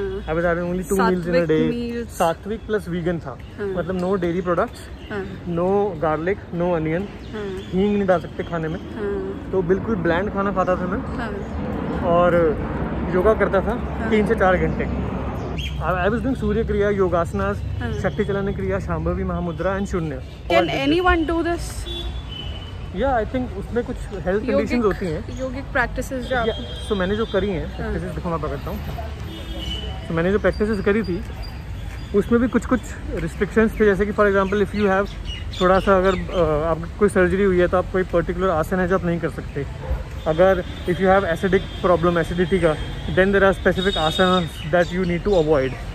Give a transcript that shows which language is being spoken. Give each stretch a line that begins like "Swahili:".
English: I was having only 2 meals in a day,
Hindi: सात्विक plus vegan था। मतलब
English: no dairy products, no garlic, no onion,
Hindi: हींग नहीं डाल सकते खाने में। तो बिल्कुल ब्लैंड खाना खाता था मैं और योगा करता था 3 से 4 घंटे।
English: I was doing Surya Kriya, Yogasanas, Shakti Chalana Kriya, Shambhavi Mahamudra and Shunya. Can anyone do this? Yeah, I think
Hindi: उसमें कुछ health conditions होती हैं। Yogic practices जो तो मैंने जो करी हैं, practices देखो मैं पकड़ता हूँ। तो मैंने जो practices करी थी, उसमें भी कुछ कुछ restrictions थे, जैसे कि
English: for example if you have
Hindi: थोड़ा सा अगर आप कोई surgery हुई है तो आप कोई particular आसन है जो आप नहीं कर सकते। अगर
English: if you have acidic problem,
Hindi: acidity का,
English: Then there are specific asan that you need to avoid.